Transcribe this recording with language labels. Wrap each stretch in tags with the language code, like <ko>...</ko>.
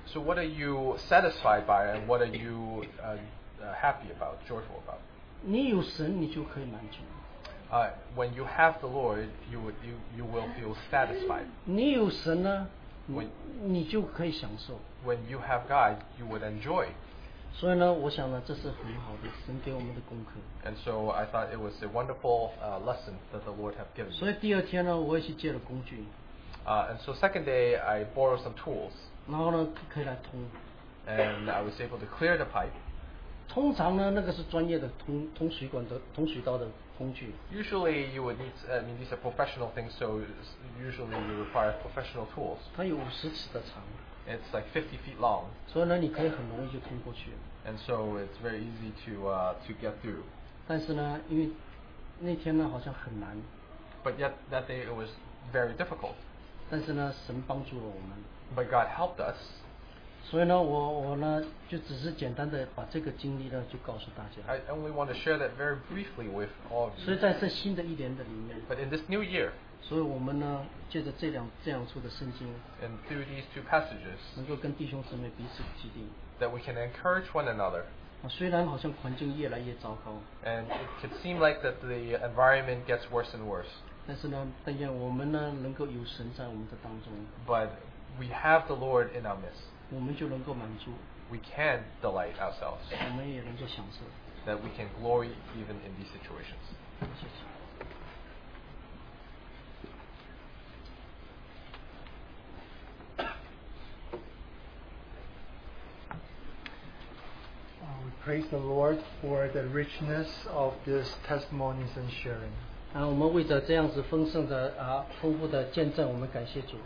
<en>？So what are you satisfied by, and what are you happy about, joyful about？</en> <zh>你有神，你就可以满足。</zh> <en>When you have the Lord, you will feel satisfied.</en> <zh>你有神呢，你就可以享受。</zh> <en>When you have God, you would enjoy.</en> <zh>所以呢，我想呢，这是很好的神给我们的功课。</zh> <en>And so I thought it was a wonderful lesson that the Lord have given.</en> <zh>所以第二天呢，我也去借了工具。</zh> <en>And so second day I borrowed some tools.</en> <zh>然后呢，可以来通。</zh> <en>And I was able to clear the pipe.</en> <zh>通常呢，那个是专业的通水管的通水道的工具。</zh> <en>Usually you would need, these are professional things, so usually you require professional tools.</en> <zh>它有五十尺的长。</zh> <en>It's like 50 feet long.</en> <zh>所以呢，你可以很容易就通过去。</zh> <en>And so it's very easy to get through.</en> <zh>但是呢，因为那天呢好像很难。</zh> <en>But yet that day it was very difficult.</en> <zh>但是呢，神帮助了我们。</zh> <en>But God helped us.</en> <zh>所以呢，我呢就只是简单的把这个经历呢就告诉大家。</zh> <en>I only want to share that very briefly with all of you.</en> <zh>所以在这新的一年的里面。</zh> <en>But in this new year.</en> <zh>所以我们呢，借着这两处的圣经。</zh> <en>And through these two passages.</en> <zh>能够跟弟兄姊妹彼此激励。</zh> <en>That we can encourage one another.</en> <zh>虽然好像环境越来越糟糕。</zh> <en>And it could seem like that the environment gets worse and worse.</en> <zh>但是呢，但愿我们呢能够有神在我们的当中。</zh> <en>But we have the Lord in our midst.</en> <zh>我们就能够满足。</zh> <en>We can delight ourselves.</en> <zh>我们也能够享受。</zh> <en>That we can glory even in these situations.</en> <zh>谢谢。</zh> <en>We praise the Lord for the richness of this testimonies and sharing.</en> <zh>我们为着这样子丰盛的啊丰富的见证，我们感谢主。</zh>